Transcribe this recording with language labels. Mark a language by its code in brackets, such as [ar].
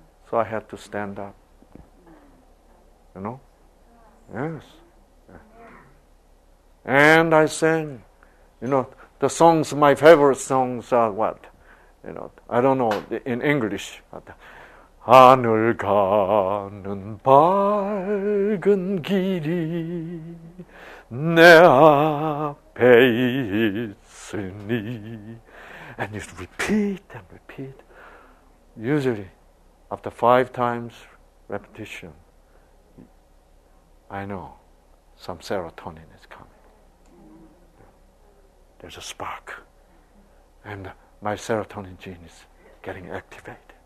[en] So I had to stand up. You know? Yes. And I sang, you know, the songs, my favorite songs are what? You know, I don't know, in English. [ko] 하늘 가는 밝은 길이 내 앞에 있으니. [en] And you repeat and repeat. Usually, after 5 times repetition, I know some serotonin is coming. There's a spark. And my serotonin gene is getting activated.